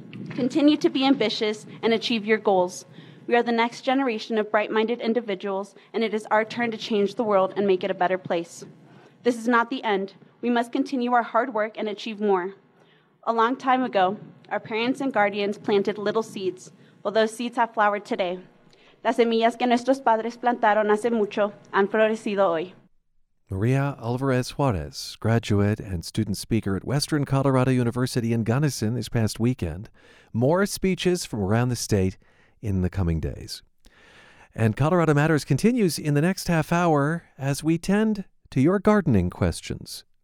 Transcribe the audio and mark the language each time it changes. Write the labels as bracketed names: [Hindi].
[English] Continue to be ambitious and achieve your goals. We are the next generation of bright-minded individuals, and it is our turn to change the world and make it a better place. This is not the end. We must continue our hard work and achieve more. A long time ago, our parents and guardians planted little seeds. Well, those seeds have flowered today. [Spanish] Las semillas que nuestros padres plantaron hace mucho han florecido hoy. [English] Maria Alvarez Juarez, graduate and student speaker at Western Colorado University in Gunnison this past weekend. More speeches from around the state in the coming days. And Colorado Matters continues in the next half hour as we tend to your gardening questions.